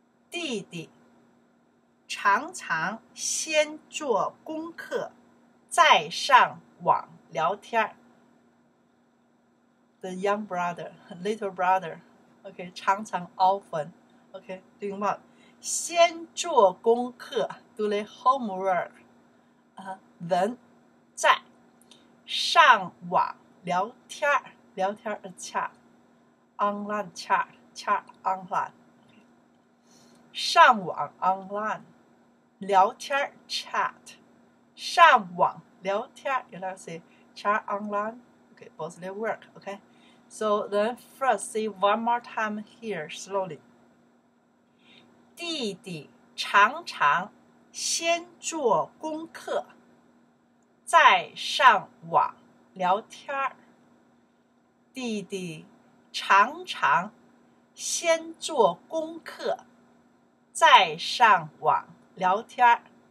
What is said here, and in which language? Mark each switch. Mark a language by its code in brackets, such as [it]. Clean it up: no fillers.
[zh] 弟弟常常先做功课，再上网聊天。 [en] The young brother, little brother, okay, [zh] 常常 [en] often, okay, doing what? [zh] 先做功课, [en] do the homework, then, [zh] 再上网聊天, 聊天 [en] a chat, online chat, chat online, okay. [zh] 上网 [en] online, [zh] 聊天 [en] chat, [zh] 上网聊天, [en] you like to say chat online, okay, both they work, okay. So then first, say one more time here, slowly. [zh] 弟弟常常先做功课，再上网聊天。弟弟常常先做功课，再上网聊天。